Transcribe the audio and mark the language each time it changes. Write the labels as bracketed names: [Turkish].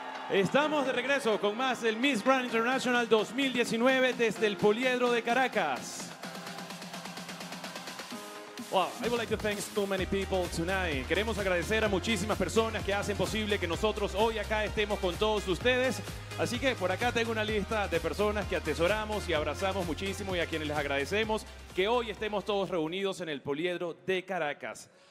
[Spanish] Estamos de regreso con más del Miss Grand International 2019 desde el Poliedro de Caracas. [English] Wow, I would like to thank too many people tonight. [Spanish] Queremos agradecer a muchísimas personas que hacen posible que nosotros hoy acá estemos con todos ustedes. Así que por acá tengo una lista de personas que atesoramos y abrazamos muchísimo y a quienes les agradecemos que hoy estemos todos reunidos en el Poliedro de Caracas.